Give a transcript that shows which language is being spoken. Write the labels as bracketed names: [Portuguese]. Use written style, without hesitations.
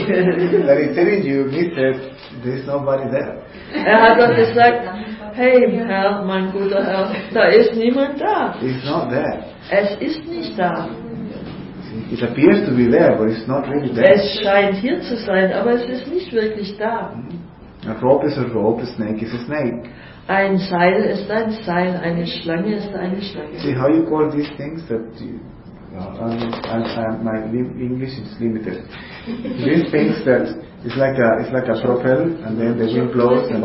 [English] But he's telling you, Mister, there's nobody there. [German] Er hat doch gesagt, hey Herr, mein guter Herr, da ist niemand da. [English] It's not there. [German] Es ist nicht da. [English] It appears to be there, but it's not really there. [German] Es scheint hier zu sein, aber es ist nicht wirklich da. [English] A rope is a rope, a snake is a snake. [German] Ein Seil ist ein Seil, eine Schlange ist eine Schlange. [English] See how you call these things that you, my English is limited. These things that it's like a propeller and then the wind blows and